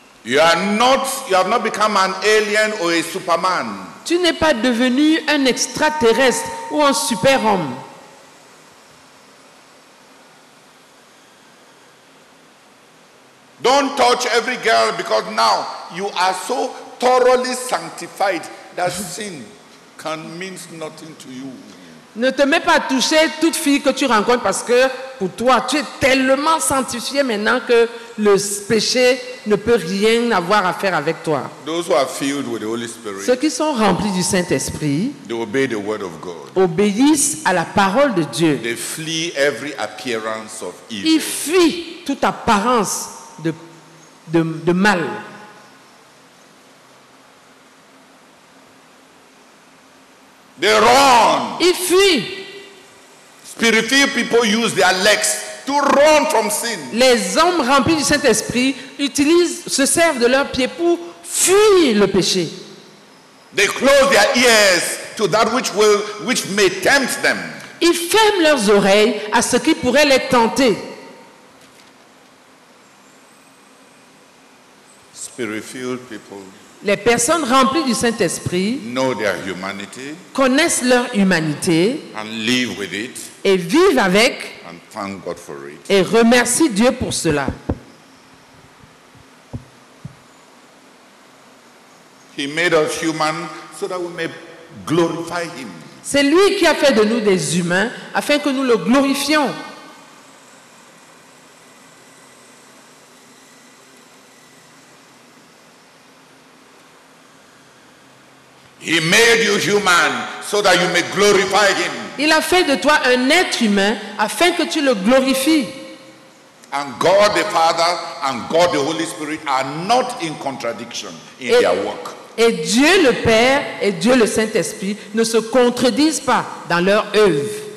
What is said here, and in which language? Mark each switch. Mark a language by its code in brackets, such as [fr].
[en] You have not become an alien or a superman. [fr] Tu n'es pas devenu un extraterrestre ou un super-homme. [en] Don't touch every girl because now you are so thoroughly sanctified that sin can mean nothing to you. [fr] Ne te mets pas à toucher toute fille que tu rencontres parce que pour toi, tu es tellement sanctifié maintenant que le péché ne peut rien avoir à faire avec toi. [en] Those who are filled with the Holy Spirit, [fr] ceux qui sont remplis du Saint-Esprit, [en] they obey the word of God, [fr] obéissent à la parole de Dieu. [en] They flee every appearance of evil. [fr] Ils fuient toute apparence de mal. [en] They run. [fr] Ils fuient. [en] Spiritual people use their legs to run from sin. [fr] Les hommes remplis du Saint-Esprit utilisent, se servent de leurs pieds pour fuir le péché. [en] They close their ears to that which may tempt them. [fr] Ils ferment leurs oreilles à ce qui pourrait les tenter. [en] Spiritual people. [fr] Les personnes remplies du Saint-Esprit [en] know their humanity, [fr] connaissent leur humanité [en] and live with it, [fr] et vivent avec [en] and thank God for it. [fr] Et remercient Dieu pour cela. [en] He made us human so that we may glorify him. [fr] C'est lui qui a fait de nous des humains afin que nous le glorifions. [en] He made you human so that you may glorify him. [fr] Il a fait de toi un être humain afin que tu le glorifies. [en] And God the Father and God the Holy Spirit are not in contradiction in their work. [fr] Et Dieu le Père et Dieu le Saint-Esprit ne se contredisent pas dans leur œuvre.